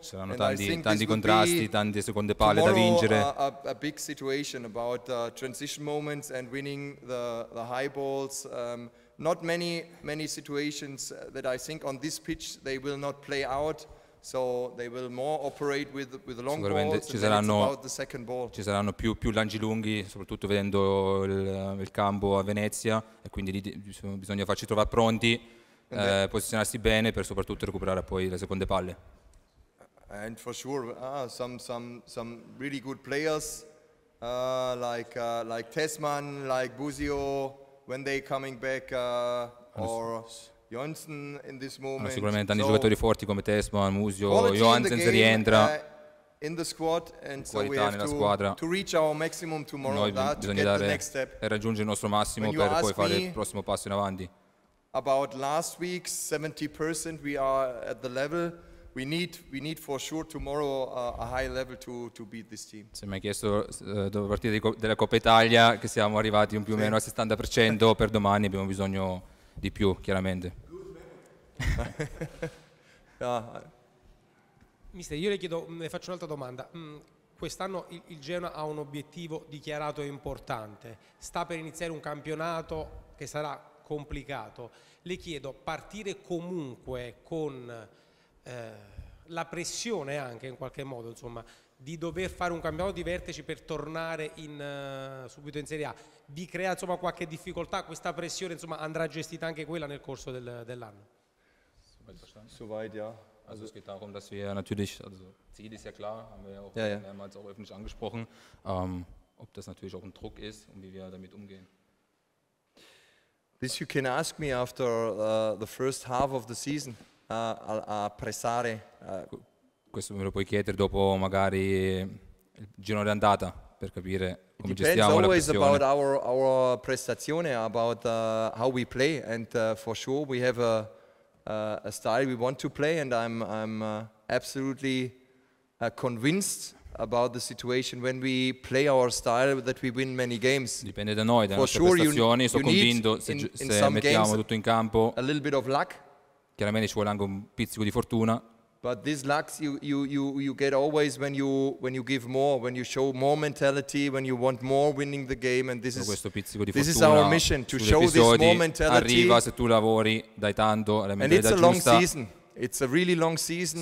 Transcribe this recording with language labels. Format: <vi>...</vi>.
<it>Saranno tanti contrasti, tante seconde palle da vincere.</it> <en>A big situation about transition moments and winning the high balls. Not many situations that I think on this pitch they will not play out. So they will more operate with long balls.</en> <it>Sicuramente ci saranno,</it> <en>about the second ball.</en> <it>Ci saranno più lanci lunghi, soprattutto vedendo il campo a Venezia, e quindi bisogna farci trovare pronti. Posizionarsi bene per soprattutto recuperare poi le seconde palle.</it> <en>And for sure some really good players like Tessman, like Busio, when they coming back or Johnsen in this moment.</en> <it>Sicuramente hanno giocatori forti come Tessman, Musio, Johnsen se rientra.</it> <en>In the squad, and so we have to reach our maximum tomorrow.</en> <it>Noi</it> <en>that</en> <it>bisogna</it> <en>to get</en> <it>dare</it> <en>the next step.</en> <it>E raggiungere il nostro massimo per poi fare il prossimo passo in avanti.</it> <en>About last week's 70%, we are at the level we need for sure tomorrow a high level to beat this team.</en> <it>Se mi hai chiesto dopo la partita della Coppa Italia che siamo arrivati più o meno al 70% per domani, abbiamo bisogno di più, chiaramente. Mister, io le faccio un'altra domanda. Quest'anno il Genoa ha un obiettivo dichiarato e importante. Sta per iniziare un campionato che sarà complicato. Le chiedo, partire comunque con la pressione anche in qualche modo, insomma, di dover fare un campionato di vertici per tornare subito in Serie A, vi crea insomma qualche difficoltà? Questa pressione insomma andrà gestita anche quella nel corso dell'anno?</it> <de>Soweit, ja. Also es geht darum, dass wir natürlich, also Ziel ist ja klar, haben wir ja auch mehrmals auch öffentlich angesprochen, ob das natürlich auch ein Druck ist und wie wir damit umgehen.</de> <en>This you can ask me after the first half of the season.</en> <it>A pressare. Questo me lo puoi chiedere dopo magari il giro d'andata per capire come gestiamo la pressione.</it> <en>Depends always about our prestazione, about how we play, and for sure we have a style we want to play, and I'm absolutely convinced about the situation when we play our style that we win many games.</en> <it>Dipende da noi, dalle nostre prestazioni. Sono convinto se mettiamo tutto in campo.</it> <en>A little bit of luck.</en> <it>Chiaramente ci vuole anche un pizzico di fortuna.</it> <en>But this luck you get always when you give more, when you show more mentality, when you want more winning the game, and this is</en> <it>questo pizzico di</it> <en>this</en> <it>fortuna.</it> <en>This is our mission to show this more mentality.</en> <it>Arriva se tu lavori, dai tanto, la mentalità giusta.</it> <en>And it's a long season. It's a really long season,</en>